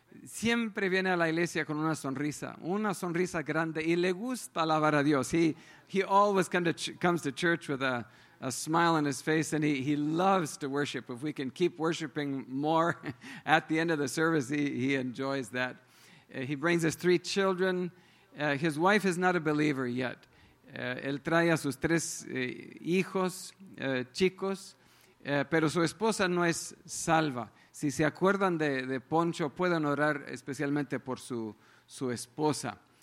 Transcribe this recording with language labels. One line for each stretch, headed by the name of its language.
Spanish: Siempre viene a la iglesia con una sonrisa grande, y le gusta alabar a Dios.
English: He always comes to church with a smile on his face, and he loves to worship. If we can keep worshiping more at the end of the service, he enjoys that. He brings his three children. His wife is not a believer yet.
Spanish: Él trae a sus tres hijos, chicos, pero su esposa no es salva. Si se acuerdan de Poncho, pueden orar especialmente por su esposa.